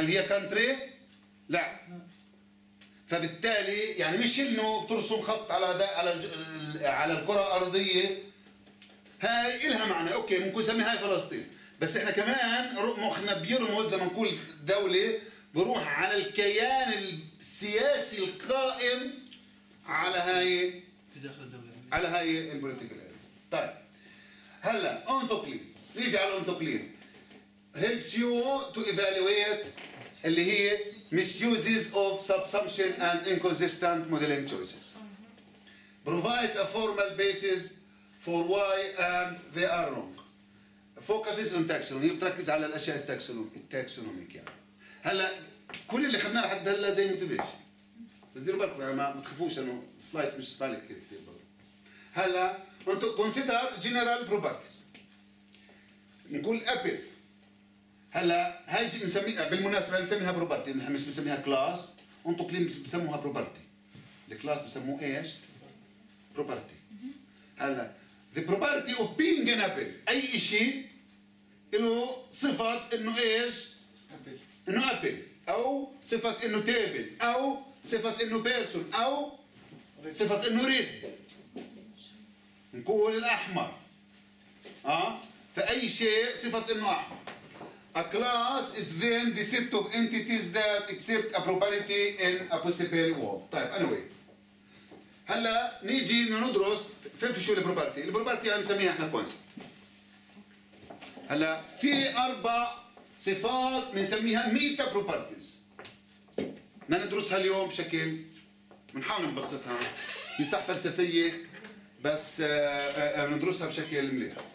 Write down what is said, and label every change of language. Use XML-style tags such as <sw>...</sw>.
<ar>هل هي كنتري؟ لا. فبالتالي يعني مش إنه ترسم خط على دا على على الكرة الأرضية. هاي إلها معنى. أوكي ممكن نسميها فلسطين. بس إحنا كمان مخنا بيرمز لما نقول دولة بروح على الكيان السياسي القائم على هاي في داخل الدولة على هاي البوليتيكال. طيب هلا أنتوكلين نيجي على أنتوكلين</ar> <en>helps you to evaluate</en> <ar>اللي هي</ar> <en>misuses of subsumption and inconsistent modeling choices provides a formal basis for why they are wrong. Focuses on taxonomy.</en> <ar>بتركز على الأشياء التاكسونومية يعني. هلا كل اللي خدناه لحد هلا زي ما تبيش. بس ديروا بالكم يعني ما تخافوش إنه سلايدز مش سلايد كثير برضو.</ar> <en>هلا أنتو consider general properties.</en> <ar>نقول أبل. هلا هاي نسمي بالمناسبة نسميها بروبرتي. نحن مش بنسميها كلاس. أنتو كلين بسموها بروبرتي. الكلاس بسموه إيش؟ بروبرتي.</ar> <en>هلا the property of being an apple.</en> <ar>أي إشي إنه صفة إنه إيش؟</ar> <en>apple.</en> <ar>إنه apple أو صفة إنه table أو صفة إنه person أو صفة إنه red. نقول الأحمر. فأي شيء صفة إنه أحمر.</ar> <en>A class is then the set of entities that accept a property in a possible world.</en> <ar>طيب anyway. هلا نيجي ندرس فهمتوا شو البروبرتي؟ البروبرتي اللي نسميها إحنا concept. هلا في أربع صفات بنسميها ميتا بروبرتيز ندرسها اليوم بشكل بنحاول نبسطها مساحة فلسفية بس ندرسها بشكل مليح.</ar>